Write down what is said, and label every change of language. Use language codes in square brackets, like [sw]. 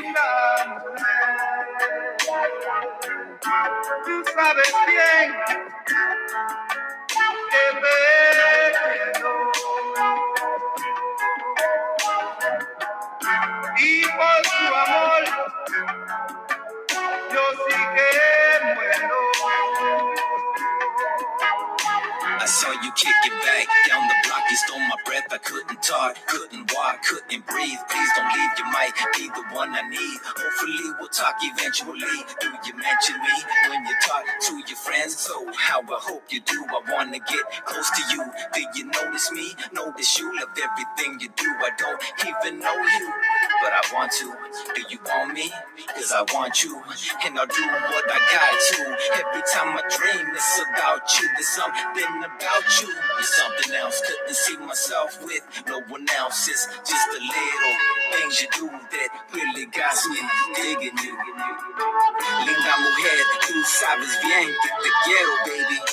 [es] Linda mujer, tú sabes bien, que me quedo. Y por su amor, yo sí que muero. [en] I saw you kick it back down the block. You stole my breath. I couldn't talk, couldn't walk, couldn't breathe. Please don't leave. You might be the one I need. Hopefully we'll talk eventually. Do you mention me when you talk to your friends? So how I hope you do. I wanna get close to you. Do you notice me? Notice you. Love everything you do. I don't even know you, but I want to. Do you want me? Cause I want you. And I'll do what I got to. Every time I dream, it's about you. There's something about you, it's something else. Couldn't see myself with no one else. It's just the little things you do that really got me digging you. [es] Linda mujer, tú sabes bien, que te quiero, baby.